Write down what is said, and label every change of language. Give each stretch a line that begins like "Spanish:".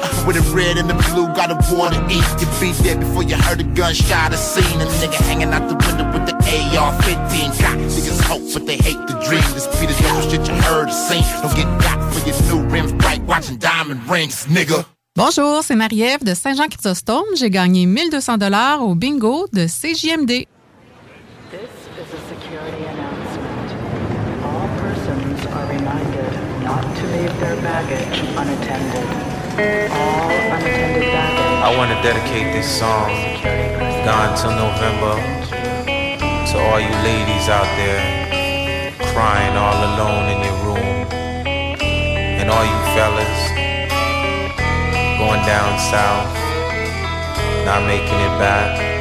English: With the red and the blue, got a war to eat. You be dead before you heard a gunshot, a scene. A nigga hanging out the window with the AR-15. Got niggas hope, but they hate the dream. This beat is no shit you heard or seen. Don't get got for your new rims, bright watching diamond rings, nigga.
French: Bonjour, c'est Marie-Ève de Saint-Jean-Chrysostome. J'ai gagné 1 200 $ au bingo de CJMD.
English: This is a security announcement. All persons are reminded not to leave I want to dedicate this song, Gone Till November, to all you ladies out there crying all alone in your room, and all you fellas going down south, not making it back.